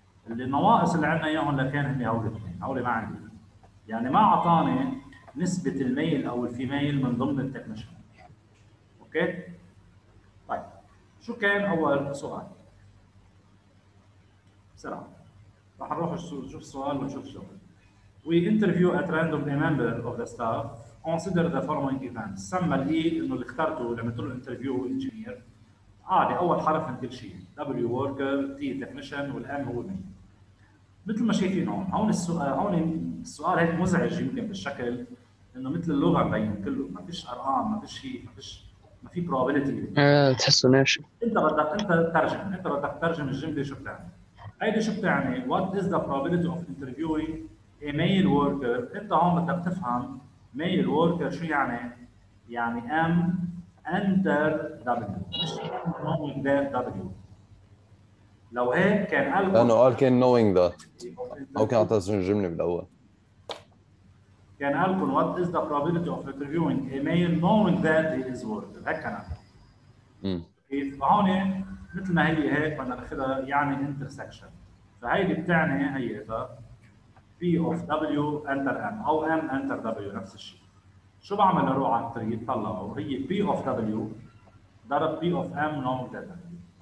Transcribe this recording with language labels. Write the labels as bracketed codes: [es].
[ar] اللي النواقص اللي عندنا اياهم لكان هن هول الاثنين، هول ما عندي. يعني ما اعطاني نسبه الميل او الفيميل من ضمن التكنيشن، اوكي؟ شو كان اول سؤال؟ بسرعه رح نروح نشوف السؤال ونشوف الجواب. [en] We interview at random a member of the staff. Consider the following events. [ar] سمى لي انه اللي اخترته لما تروح الانترفيو هو انجينير. عادي اول حرف من كل شيء. W worker، T technician، والM هو مين. مثل ما شايفين هون، هون السؤال هيك مزعج يمكن بالشكل انه مثل اللغه مبين كله، ما فيش ارقام، ما فيش شيء، ما في probability. تحسه ناشف. انت بدك ترجم الجمله. شو بتعمل؟ هيدي شو بتعني؟ [en] What is the probability of interviewing a male worker؟ [ar] انت هون بدك تفهم male worker شو يعني؟ يعني [en] M under W، [ar] مش [en] M knowing that W. [ar] لو هيك كان قال لأنه قال كان [en] knowing that، [ar] أو كان عطاها الجملة بالأول. كان قال لكم [en] What is the probability of interviewing a male knowing that he is worker؟ [ar] هيك كان قال. كيف؟ فهون مثل ما هي هيك بدنا ناخذها، يعني intersection. فهيدي بتعني هي P of W under M أو M under W، نفس الشيء. شو بعمل أروح على التري طلعه؟ هي P of W ضرب P of M knowing that W.